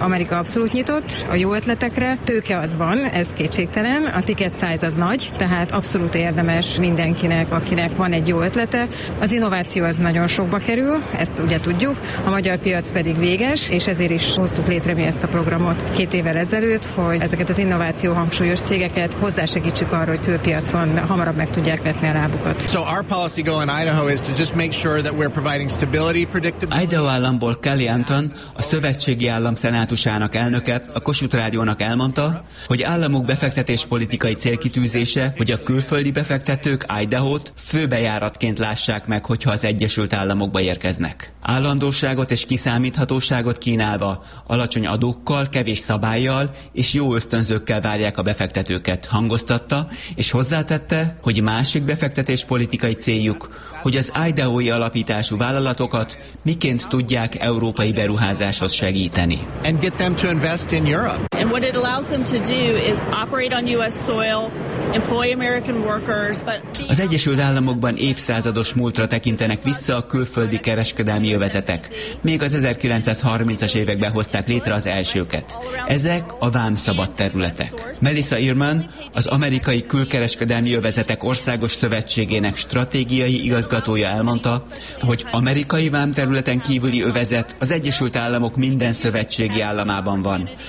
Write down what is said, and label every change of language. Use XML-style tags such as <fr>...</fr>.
<hu>Amerika abszolút nyitott a jó ötletekre, tőke az van, ez kétségtelen, a ticket size az nagy, tehát abszolút érdemes mindenkinek, akinek van egy jó ötlete. Az innováció az nagyon sokba kerül, ezt ugye tudjuk, a magyar piac pedig véges, és ezért is hoztuk létre mi ezt a programot 2 évvel ezelőtt, hogy ezeket az innováció hangsúlyos cégeket hozzásegítsük arra, hogy külpiacon hamarabb meg tudják vetni a lábukat.</hu> <en>So our policy goal in Idaho is to just make sure that we're providing stability, predictability.</en> <hu>Idaho államból Kelly Anton, a szövetségi állam szenátusának elnöke, a Kossuth Rádiónak elmondta, hogy államuk befektetéspolitikai célkitűzése, hogy a külföldi befektetők Idahót főbe járatként lássák meg, hogyha az Egyesült Államokba érkeznek. Állandóságot és kiszámíthatóságot kínálva, alacsony adókkal, kevés szabállyal és jó ösztönzőkkel várják a befektetőket, hangoztatta, és hozzátette, hogy másik befektetéspolitikai céljuk, hogy az Idaho-i alapítású vállalatokat miként tudják európai beruházáshoz segíteni.</hu> <en>And get them to invest in Europe. And what it allows them to do is operate on US soil, employ American workers, but</en> <hu>az Egyesült Államokban évszázadokban évszázados múltra tekintenek vissza a külföldi kereskedelmi övezetek. Még az 1930-as években hozták létre az elsőket. Ezek a vámszabad területek. Melissa Irman, az Amerikai Külkereskedelmi Övezetek Országos Szövetségének stratégiai igazgatója elmondta, hogy amerikai vámterületen kívüli övezet az Egyesült Államok minden szövetségi államában van.</hu>